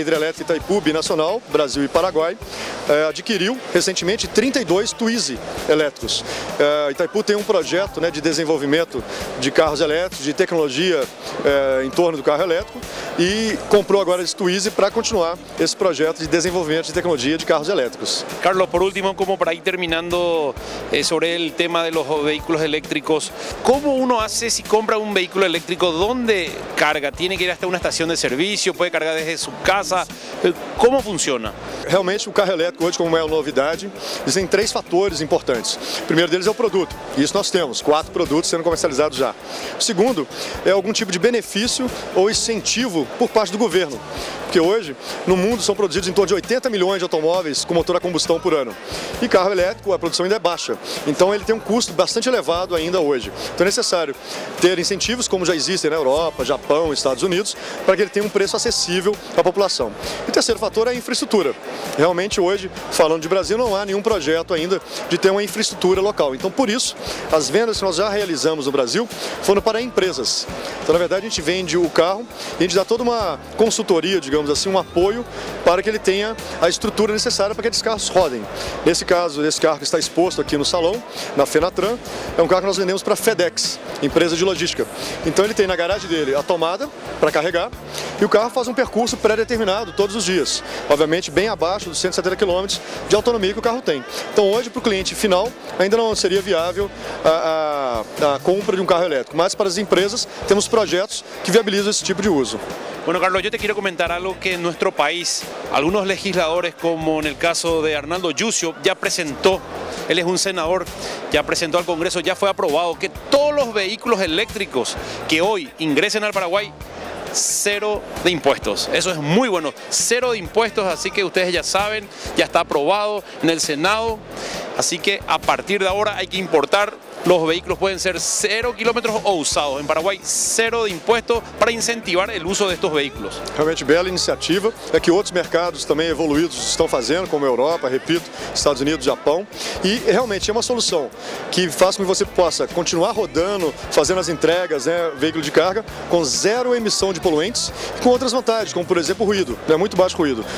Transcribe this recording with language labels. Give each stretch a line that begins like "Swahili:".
Portuguese: Hidrelétrica Itaipu Binacional, Brasil e Paraguai, adquiriu recentemente 32 Twizy elétricos. Itaipu tem um projeto né, de desenvolvimento de carros elétricos, de tecnologia em torno do carro elétrico, e comprou agora esse Twizy para continuar esse projeto de desenvolvimento de tecnologia de carros elétricos.
Spanish: Carlos, por último, como para ir terminando, sobre el tema de los vehículos eléctricos. ¿Cómo uno hace si compra un vehículo eléctrico? ¿Dónde carga? ¿Tiene que ir hasta una estación de servicio? ¿Puede cargar desde su casa? ¿Cómo funciona? Realmente, el carro eléctrico, hoy como es una novedad, existen tres factores importantes. El primero deles es el producto. Y eso nosotros tenemos, cuatro productos siendo comercializados ya. El segundo es algún tipo de beneficio o incentivo por parte del gobierno.
Portuguese: Porque hoje, no mundo, são produzidos em torno de 80 milhões de automóveis com motor a combustão por ano. E carro elétrico, a produção ainda é baixa. Então, ele tem um custo bastante elevado ainda hoje. Então, é necessário ter incentivos, como já existem na Europa, Japão, Estados Unidos, para que ele tenha um preço acessível à população. E o terceiro fator é a infraestrutura. Realmente, hoje, falando de Brasil, não há nenhum projeto ainda de ter uma infraestrutura local. Então, por isso, as vendas que nós já realizamos no Brasil foram para empresas. Então, na verdade, a gente vende o carro e a gente dá toda uma consultoria, digamos assim, um apoio para que ele tenha a estrutura necessária para que esses carros rodem. Nesse caso, esse carro que está exposto aqui no salão, na Fenatran, é um carro que nós vendemos para a FedEx, empresa de logística. Então ele tem na garagem dele a tomada para carregar e o carro faz um percurso pré-determinado todos os dias, obviamente bem abaixo dos 170 km de autonomia que o carro tem. Então hoje, para o cliente final, ainda não seria viável a compra de um carro elétrico, mas para as empresas temos projetos que viabilizam esse tipo de uso.
Spanish: Bueno, Carlos, yo te quiero comentar algo que en nuestro país algunos legisladores, como en el caso de Arnaldo Yucio, ya presentó, él es un senador, ya presentó al Congreso, ya fue aprobado que todos los vehículos eléctricos que hoy ingresen al Paraguay, cero de impuestos. Eso es muy bueno, cero de impuestos, así que ustedes ya saben, ya está aprobado en el Senado, así que a partir de ahora hay que importar. Los vehículos pueden ser 0 kilómetros o usados. En Paraguay, cero de impuestos para incentivar el uso de estos vehículos.
Portuguese: Realmente bela iniciativa. É que outros mercados também evoluídos estão fazendo, como Europa, repito, Estados Unidos, Japão. E realmente é uma solução que faz com que você possa continuar rodando, fazendo as entregas, né, veículo de carga, com zero emissão de poluentes e com outras vantagens, como por exemplo ruído. É muito baixo ruído.